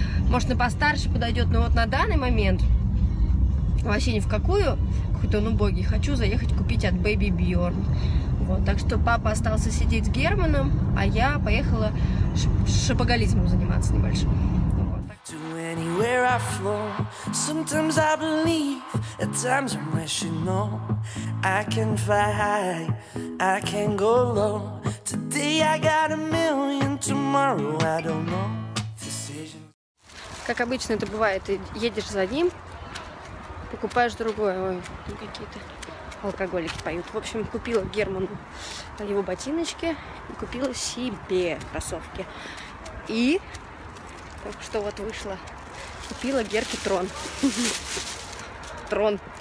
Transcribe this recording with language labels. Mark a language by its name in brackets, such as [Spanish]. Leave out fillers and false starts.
[Russian] Может, на постарше подойдет, но вот на данный момент вообще ни в какую, какой-то он убогий, хочу заехать купить от Baby Bjorn. Вот, так что папа остался сидеть с Германом, а я поехала шопоголизмом заниматься небольшим. [English] To anywhere I flow. Sometimes I believe, at times I'm wishing, no, I can fly high, I can go low. Today I got a million, tomorrow I don't know. Decision. [Russian] Как обычно это бывает, ты едешь за ним, покупаешь другое. Ой, какие-то алкоголики поют. В общем, купила Герману его ботиночки и купила себе кроссовки. И... Только что вот вышла. Купила Герке трон. Трон.